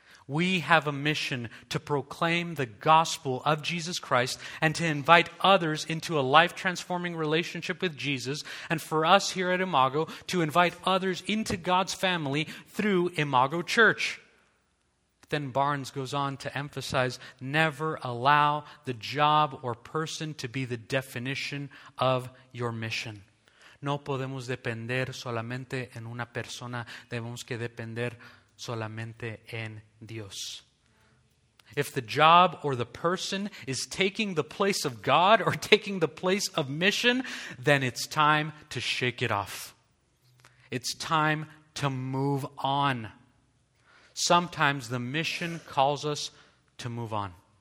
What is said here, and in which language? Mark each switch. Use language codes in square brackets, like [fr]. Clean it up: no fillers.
[en] We have a mission to proclaim the gospel of Jesus Christ and to invite others into a life-transforming relationship with Jesus, and for us here at Imago to invite others into God's family through Imago Church. Then Barnes goes on to emphasize, never allow the job or person to be the definition of your mission. [es] No podemos depender solamente en una persona, debemos que depender solamente en Dios. [en] If the job or the person is taking the place of God or taking the place of mission, then it's time to shake it off. It's time to move on. Sometimes the mission calls us to move on.